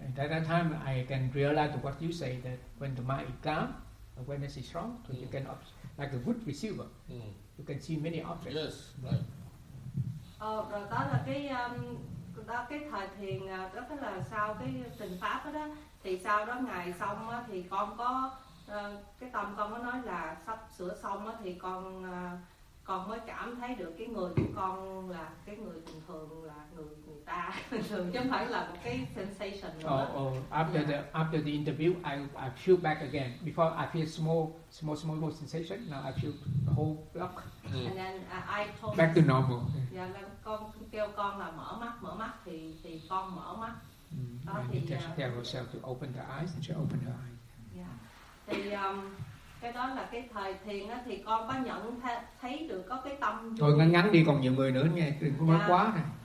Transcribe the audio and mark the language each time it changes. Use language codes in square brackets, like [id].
[vi] như vậy. [en] She say that and at that time I can realize what you say, that when the mind is calm, awareness is strong, so you can like a good receiver, you can see many objects. Yes, right. [vi] Rồi đó là cái thời thiền, đó là sau cái tình pháp đó, thì sau đó ngày xong thì con có cái tâm con có nói là sắp sửa xong thì con mới cảm thấy được cái người của con là cái người bình thường, là người ta thường, chứ không phải là một cái sensation nữa. [en] After the interview I feel back again. Before I feel small sensation, now I feel the whole block. And then I told back to normal. [vi] Yeah, con kêu con là mở mắt thì con mở mắt. Đó thì [en] tell herself to open the eyes and she opened her eyes. Yeah. [vi] Thì cái đó là cái thời thiền á, thì con có nhận thấy được có cái tâm thôi, ngắn đi, còn nhiều người nữa nghe, đừng có nói quá nè.